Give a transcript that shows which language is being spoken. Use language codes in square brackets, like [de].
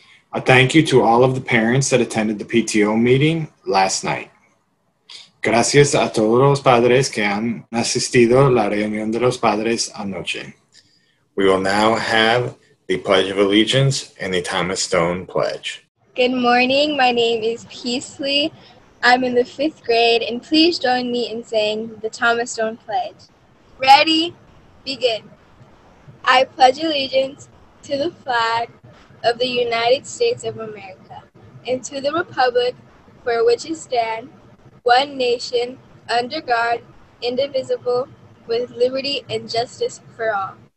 [en] A thank you to all of the parents that attended the PTO meeting last night. [es] Gracias a todos los padres que han asistido a la reunión de los padres anoche. [en] We will now have the Pledge of Allegiance and the Thomas Stone Pledge. Good morning. My name is Peasley. I'm in the fifth grade, and please join me in saying the Thomas Stone Pledge. Ready? Begin. I pledge allegiance to the flag of the United States of America and to the republic for which it stands, one nation, under God, indivisible, with liberty and justice for all.